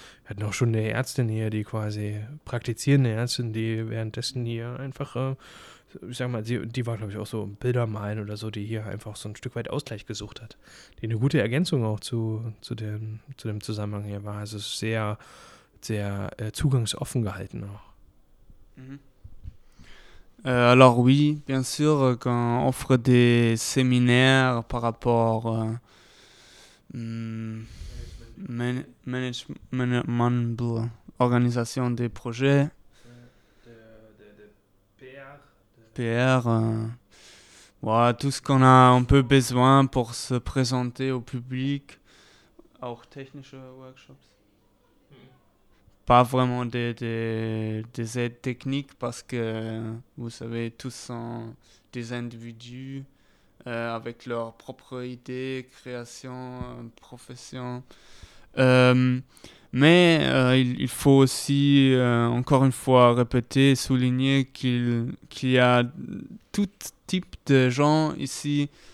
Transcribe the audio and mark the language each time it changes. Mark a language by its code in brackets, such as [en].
[de] Wir hatten auch schon eine Ärztin hier, die quasi praktizierende Ärztin, die währenddessen hier einfach, ich sag mal, die war, glaube ich, auch so ein Bildermalen oder so, die hier einfach so ein Stück weit Ausgleich gesucht hat, die eine gute Ergänzung auch zu dem Zusammenhang hier war. Also es ist sehr, sehr zugangsoffen gehalten auch. [fr] Alors oui, bien sûr qu'on offre des séminaires par rapport management, organisation des projets, PR, voilà, tout ce qu'on a un peu besoin pour se présenter au public, [de] auch technische Workshops. [fr] Pas vraiment des aides techniques parce que, vous savez, tous sont des individus avec leurs propres idées, créations, professions. Mais il faut aussi, encore une fois, répéter, souligner qu'il y a tout type de gens ici.